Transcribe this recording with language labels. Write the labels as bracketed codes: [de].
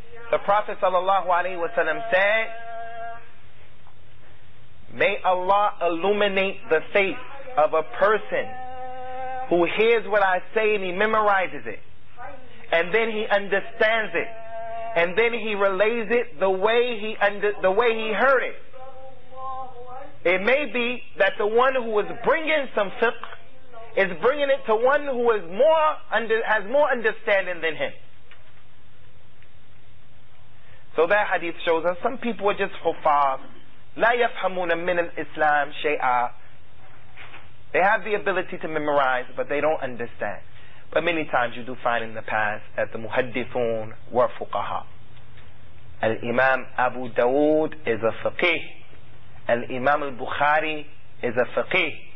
[en] The Prophet sallallahu alaihi wasallam said, may Allah illuminate the face of a person who hears what I say and he memorizes it and then he understands it and then he relays it the way he heard it. It may be that the one who is bringing some fiqh is bringing it to one who is has more understanding than him. So that hadith shows us some people are just huffaz. [ar] لا يفهمون من الإسلام شيئا. [en] They have the ability to memorize, but they don't understand. But many times you do find in the past that the muhaddithun were fuqaha. Al-Imam Abu Dawood is a faqih. Al-Imam al-Bukhari is a faqih.